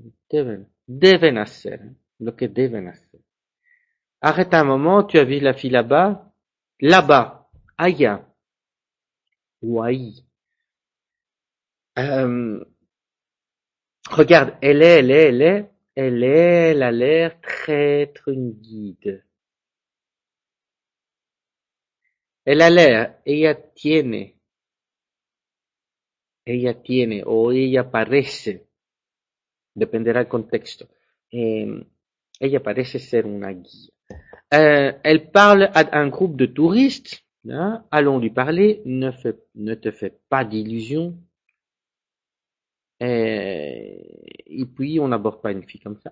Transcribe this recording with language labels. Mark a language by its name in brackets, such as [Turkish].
[Spanish] Deben, deben hacer, lo que deben hacer. [French] Arrête un moment, tu as vu la fille là-bas, là-bas, allá, ouai. Regarde, elle est, elle est, elle est. Elle a l'air traître une guide. Elle a l'air, [Spanish] ella tiene, o ella parece, dependerá del contexto, ella parece ser una guide. [French] Elle parle à un groupe de touristes, hein? Allons lui parler, ne te fais pas d'illusions. Et puis on n'aborde pas une fille comme ça.